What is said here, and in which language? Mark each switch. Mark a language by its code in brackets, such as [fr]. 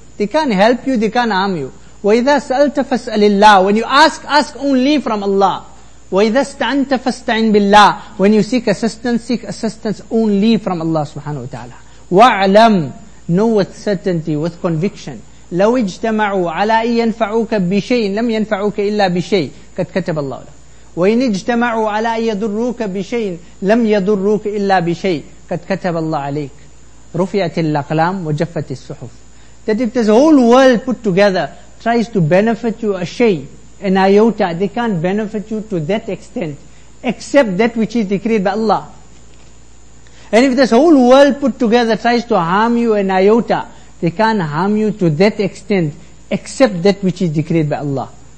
[en] They can't help you, they can't harm you. [ar] وَإِذَا سَأَلْتَ فَاسْأَلِ اللَّهِ. [en] When you ask, ask only from Allah. [ar] وَإِذَا اسْتَعَنْتَ فَاسْتَعِنْ بِاللَّهِ. [en] When you seek assistance only from Allah subhanahu wa ta'ala. [ar] وَعْلَمْ. [en] Know with certainty, with conviction. [ar] لو اجتمعوا على أن ينفعوك بشيء لم ينفعوك إلا بشيء قد كتب الله لك. وإن اجتمعوا على أن يضروك بشيء لم يضروك إلا بشيء قد كتب الله عليك. رفعت الأقلام وجفت الصحف. [en] That if this whole world put together tries to benefit you a shay, an iota, they can't benefit you to that extent, except that which is decreed by Allah. And if this whole world put together tries to harm you an iota, they can't harm you to that extent, except that which is decreed by Allah.